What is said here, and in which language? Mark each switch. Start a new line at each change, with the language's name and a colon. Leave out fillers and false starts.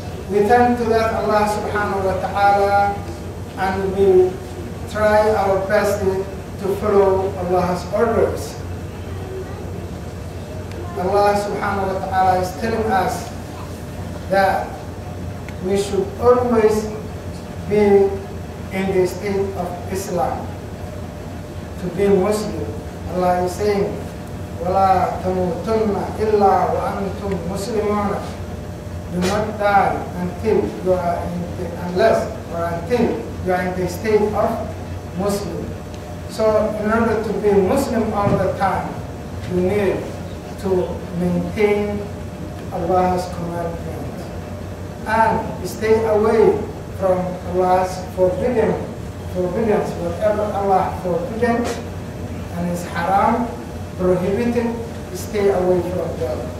English: We thank to that Allah subhanahu wa ta'ala, and we try our best to follow Allah's orders. Allah subhanahu wa ta'ala is telling us that we should always be in the state of Islam, to be Muslim. Allah is saying,
Arabic: وَلَا تَمُوتُنَّ إِلَّا وَأَنْتُمْ مُسْلِمُونَ.
English: Do not die until you are in the, until you are in the state of Muslim. So in order to be Muslim all the time, you need to maintain Allah's commandments and stay away from Allah's forbidden, whatever Allah forbidden and is haram, prohibited, stay away from them.